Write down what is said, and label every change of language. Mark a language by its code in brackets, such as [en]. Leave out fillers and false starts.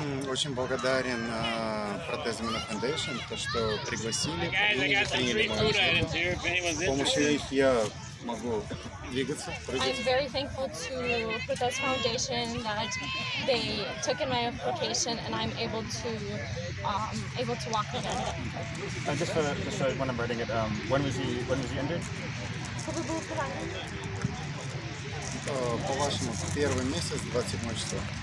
[ru] Очень благодарен протезам на Foundation, то, что пригласили, приняли мою службу. С помощью них я могу двигаться, прыгать. [en] I'm very thankful to Protez Foundation that they took in my application and I'm able to walk again. And just for the sake when I'm writing it, when was he injured? [ru] По вашему, первый месяц, 27 число.